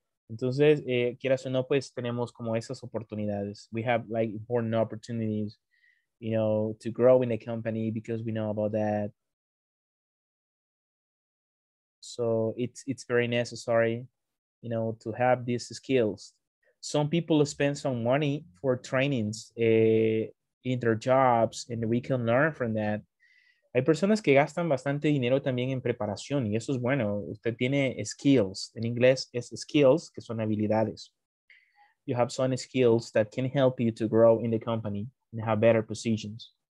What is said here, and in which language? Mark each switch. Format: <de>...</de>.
<es>Entonces, quieras o no, pues tenemos como esas oportunidades.</es> <en>We have like important opportunities, you know, to grow in the company because we know about that. So it's very necessary, you know, to have these skills. Some people spend some money for trainings in their jobs and we can learn from that.</en> <es>Hay personas que gastan bastante dinero también en preparación y eso es bueno. Usted tiene skills. En inglés es skills, que son habilidades.</es> <en>You have some skills that can help you to grow in the company and have better positions.</en>